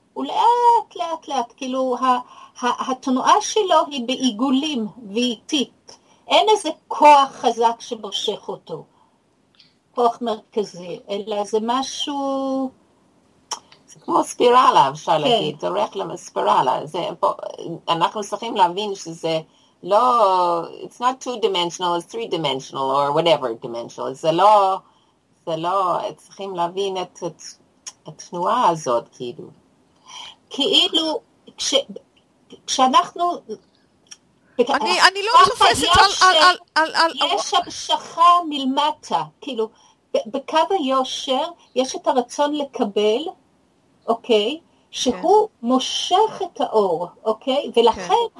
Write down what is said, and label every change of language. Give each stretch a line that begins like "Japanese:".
Hebrew: הוא לאט, לאט, לאט, כאילו, התנועה שלו היא בעיגולים ואיטית. אין איזה כוח חזק שמושך אותו, כוח מרכזי, אלא זה משהו... זה כמו ספירלה, אפשר להגיד, דורך לספירלה. אנחנו צריכים להבין שזה לא...
English: It's not two-dimensional, it's three-dimensional, or whatever dimensional.
Hebrew: זה לא... צריכים להבין את התנועה הזאת, כאילו. כאילו, כשאנחנו... אני לא תופסת על... יש המשכה מלמטה, כאילו, בקו היושר יש את הרצון לקבל, אוקיי, שהוא מושך את האור, אוקיי, ולכן